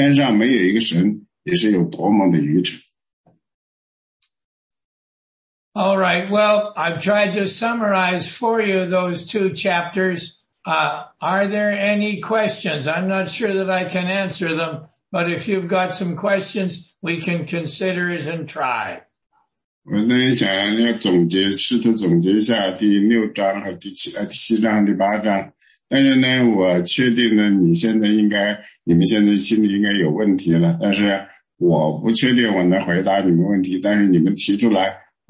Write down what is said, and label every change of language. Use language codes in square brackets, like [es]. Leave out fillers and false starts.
[zh] 这诗篇里呢，说了两次，说愚顽人心中说有没有神，只有愚顽人心中才说没有神。所以你说天上没有一个神，也是有多么的愚蠢。 [en] All right, well, I've tried to summarize for you those two chapters. Are there any questions? I'm not sure that I can answer them, but if you've got some questions, we can consider it and try. [zh] 我那想要总结，试图总结一下第六章和第七章、第八章，但是呢，我确定呢，你们现在心里应该有问题了，但是我不确定我能回答你们问题，但是你们提出来。